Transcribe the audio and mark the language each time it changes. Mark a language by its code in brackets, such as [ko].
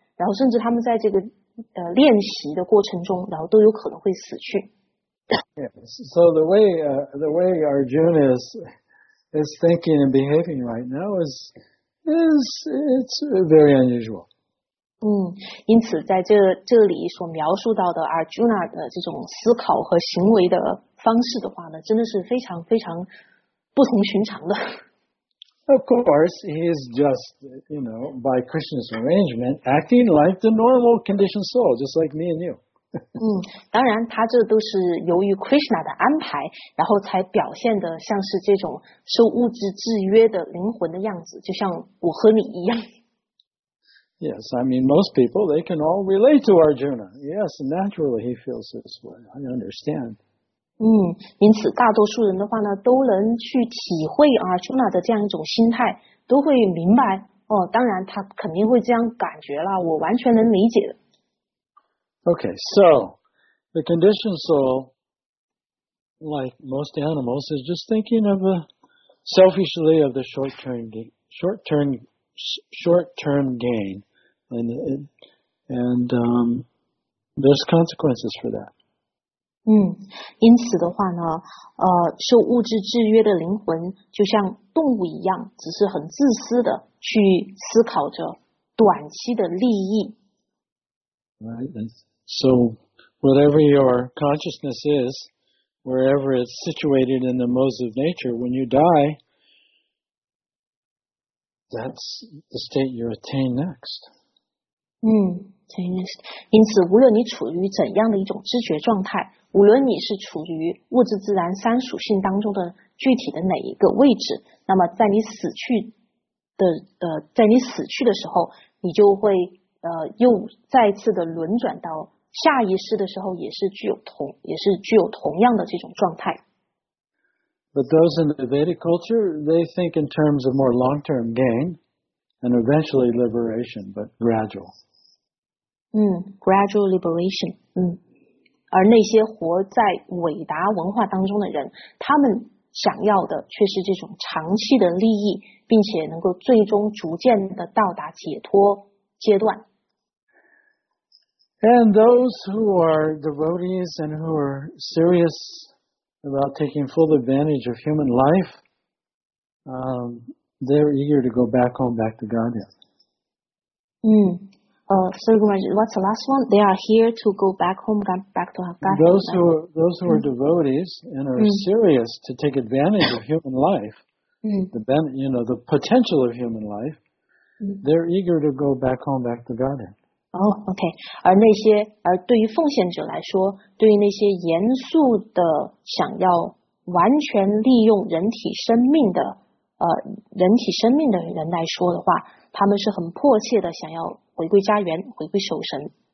[zh] 然后甚至他们在这个练习的过程中，然后都有可能会死去。 [en] Yeah, so the way Arjuna is thinking and behaving right now is very unusual. [zh] 因此在这里所描述到的 Arjuna 的这种思考和行为的方式的话呢，真的是非常非常不同寻常的。 [en] Of course, he's just, you know, by Krishna's arrangement, acting like the normal conditioned soul, just like me and you. [zh] 当然，他这都是由于 Krishna 的安排，然后才表现的像是这种受物质制约的灵魂的样子，就像我和你一样。 [en] Yes, I mean, most people, they can all relate to Arjuna. Yes, naturally he feels this way, I understand. [zh] 因此大多数人的话呢都能去体会 Arjuna 的这样一种心态，都会明白当然他肯定会这样感觉了，我完全能理解的。 [en] Okay, so the conditioned soul, like most animals, is just thinking of selfishly of the short-term gain and there's consequences for that. [zh] 因此的话呢受物质制约的灵魂就像动物一样，只是很自私的去思考着短期的利益。 [en] Right, and so whatever your consciousness is, wherever it's situated in the modes of nature, when you die, that's the state you attain next. [zh] 因此无论你处于怎样的一种知觉状态，无论你是处于物质自然三属性当中的具体的哪一个位置，那么在你死去的在你死去的时候，你就会又再次的轮转到下一世的时候，也是具有同样的这种状态。 [en] But those in the Vedic culture, they think in terms of more long-term gain and eventually liberation, but gradual. Gradual liberation. [zh] 而那些活在伟达文化当中的人，他们想要的却是这种长期的利益，并且能够最终逐渐的到达解脱阶段。 [en] And those who are devotees and who are serious about taking full advantage of human life, they're eager to go back home, back to Godhead. What's the last one? They are here to go back home, back to Godhead. Those who are devotees and are serious to take advantage of human life, the potential of human life, they're eager to go back home, back to Godhead. [zh] Okay, 而对于奉献者来说，对于那些严肃的想要完全利用人体生命的人体生命的人来说的话，他们是很迫切的想要回归家园，回归守神。